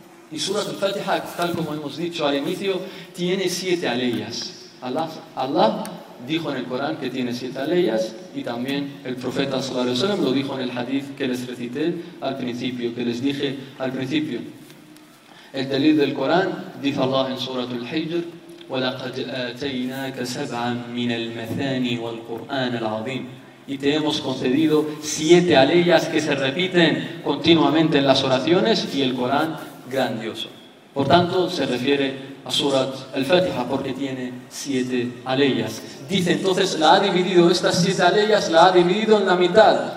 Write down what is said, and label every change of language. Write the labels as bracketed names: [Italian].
[Spanish] Y Suratul Fatiha, tal como hemos dicho al inicio, tiene 7 aleyas. Allah dijo en el Corán que tiene 7 aleyas, y también el profeta sallallahu alayhi wa sallam lo dijo en el hadith que les recité al principio, que les dije al principio. El dalil del Corán, dice Allah en Suratul Hijr, [Arabic] ولقد آتيناك سبعا من المثاني والقرآن العظيم. [Spanish] Y te hemos concedido siete aleyas que se repiten continuamente en las oraciones y el Corán grandioso. Por tanto, se refiere a Surat al-Fatiha porque tiene siete aleyas. Dice entonces, la ha dividido, estas siete aleyas la ha dividido en la mitad.